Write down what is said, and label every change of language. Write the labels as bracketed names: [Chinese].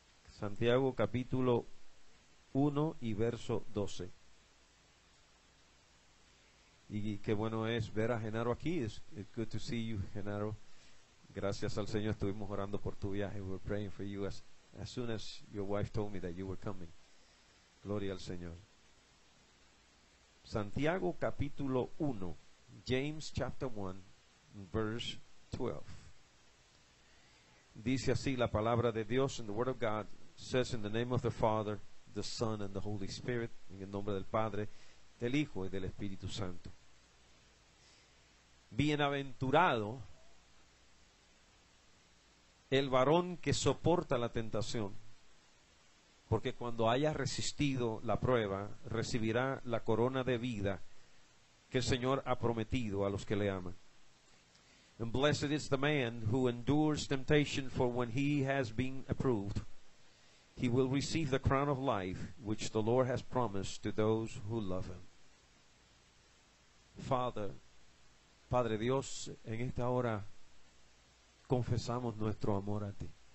[Spanish] Santiago capítulo 1 y verso 12. Y qué bueno es ver a Genaro aquí. [English] It's good to see you, Genaro. [Spanish] Gracias al Señor, estuvimos orando por tu viaje. [English] We were praying for you as soon as your wife told me that you were coming. Gloria al Señor. Santiago capítulo 1, James chapter 1, verse 12. Dice así la palabra de Dios, and the word of God says, in the name of the Father, the Son, and the Holy Spirit, en el nombre del Padre, del Hijo y del Espíritu Santo. [Spanish] Bienaventurado el varón que soporta la tentación, porque cuando haya resistido la prueba, recibirá la corona de vida que el Señor ha prometido a los que le aman. [English] And blessed is the man who endures temptation, for when he has been approved, he will receive the crown of life which the Lord has promised to those who love him. [Spanish] Father, Padre Dios, en esta hora confesamos nuestro amor a ti.